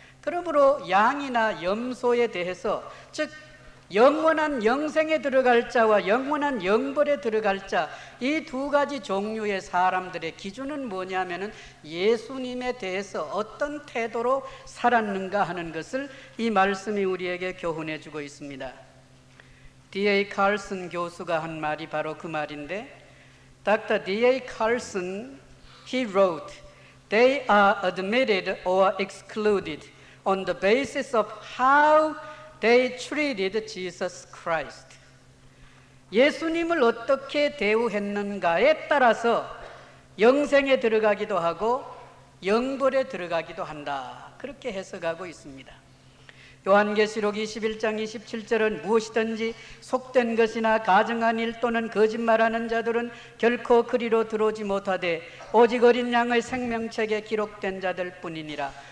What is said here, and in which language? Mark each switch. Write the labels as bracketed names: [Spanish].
[Korean] 그러므로 양이나 염소에 대해서 즉 영원한 영생에 들어갈 자와 영원한 영벌에 들어갈 자 이 두 가지 종류의 사람들의 기준은 뭐냐면은 예수님에 대해서 어떤 태도로 살았는가 하는 것을 이 말씀이 우리에게 교훈해 주고 있습니다. [English] D.A. [Korean] 칼슨 교수가 한 말이 바로 그 말인데 Dr. [English] D.A. 칼슨, he wrote, They are admitted or excluded on the basis of how they treated Jesus Christ. [Korean] 예수님을 어떻게 대우했는가에 따라서 영생에 들어가기도 하고 영벌에 들어가기도 한다. 그렇게 해석하고 있습니다. 요한계시록 21장 27절은 무엇이든지 속된 것이나 가증한 일 또는 거짓말하는 자들은 결코 그리로 들어오지 못하되 오직 어린 양의 생명책에 기록된 자들 뿐이니라.